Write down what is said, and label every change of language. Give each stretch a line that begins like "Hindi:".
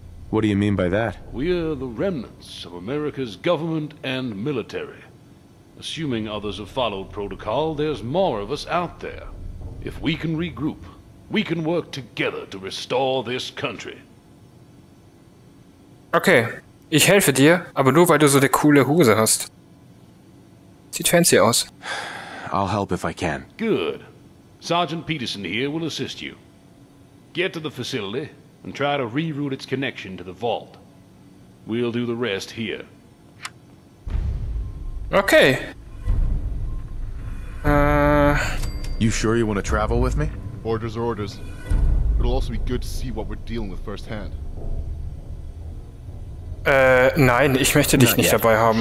English: What do you mean by that? We're the remnants of America's government and military. Assuming others have followed protocol, there's more of us out there. If we can regroup, we can work together to restore this country.
German: Okay, ich helfe dir, aber nur weil du so eine coole Hose hast. Sieht fancy aus.
English: I'll help if I can. Good. Sergeant Peterson here will assist you. Get to the facility and try to reroute its connection to the vault. We'll do the rest here. Okay. You sure you want to travel with me? Orders are orders. It'll also be good to see what we're dealing with firsthand.
German: Nein, ich möchte dich nicht dabei haben.